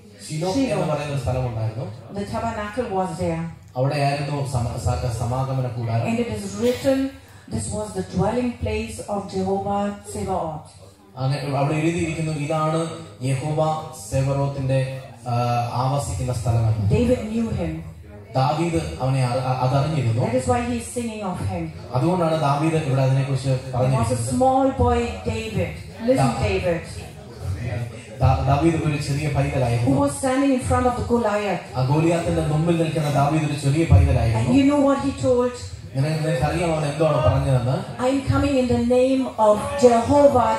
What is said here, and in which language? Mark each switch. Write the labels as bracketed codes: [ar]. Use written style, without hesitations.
[en] The tabernacle was there. And it is written, this was the dwelling place of Jehovah Tsevaot. [ml] അവിടെ എഴുതിയിരിക്കുന്നു ഇതാണ് യഹോവ സെവറോത്തിന്റെ ആവസിക്കുന്ന സ്ഥലമാണ്. [en] David knew him. [ml] ദാവീദ് അവനെ അതറിഞ്ഞിരുന്നു. [en] That is why he is singing of him. [ml] അതുകൊണ്ടാണ് ദാവീദ് ഇവിടെ അതിനെ കുറിച്ച് പറഞ്ഞിരിക്കുന്നത്. [en] He was a small boy, David. Listen, David. [ml] ദാവീദ് ഒരു ചെറിയ പൈതലായിരുന്നു. [en] Who was standing in front of the Goliath? [ml] ആ ഗോലിയാത്തിന്റെ മുമ്പിൽ നിൽക്കുന്ന ദാവീദ് ഒരു ചെറിയ പൈതലായിരുന്നു. [en] And you know what he told? I am coming in the name of Jehovah